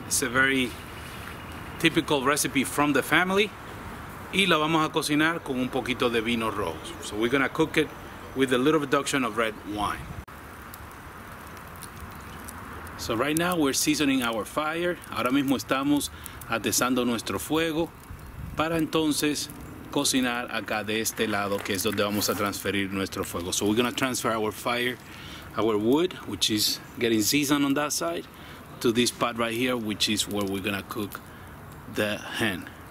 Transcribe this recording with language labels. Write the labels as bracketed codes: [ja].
[en] It's a very typical recipe from the family. [es] Y la vamos a cocinar con un poquito de vino rojo. [en] So we're gonna cook it with a little reduction of red wine. So right now we're seasoning our fire. [es] Ahora mismo estamos atizando nuestro fuego para entonces cocinar acá de este lado, que es donde vamos a transferir nuestro fuego. [en] So we're gonna transfer our fire, our wood, which is getting seasoned on that side, to this pot right here, which is where we're gonna cook the hen.